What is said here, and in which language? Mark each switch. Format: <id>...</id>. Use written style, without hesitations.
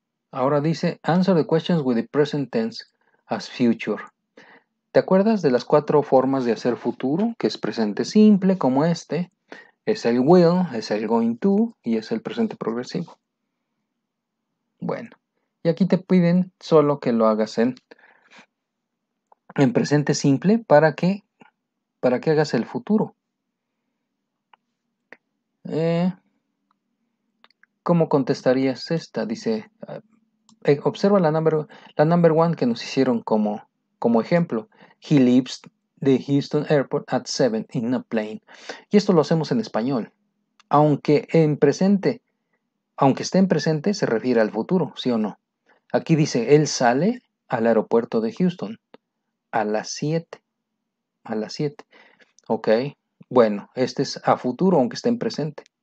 <es>Ahora dice</es> <en>answer the questions with the present tense as future.</en> <es>¿Te acuerdas de las cuatro formas de hacer futuro? Que es presente simple, como este. Es el will, es el going to y es el presente progresivo. Bueno, y aquí te piden solo que lo hagas en presente simple para que hagas el futuro. ¿Cómo contestarías esta? Dice, observa la number one que nos hicieron como ejemplo.</es> <en>He leaves the Houston airport at 7 in a plane.</en> <es>Y esto lo hacemos en español. Aunque esté en presente, se refiere al futuro, ¿sí o no? Aquí dice, él sale al aeropuerto de Houston a las 7. A las 7. Ok. Bueno, este es a futuro, aunque esté en presente.</es>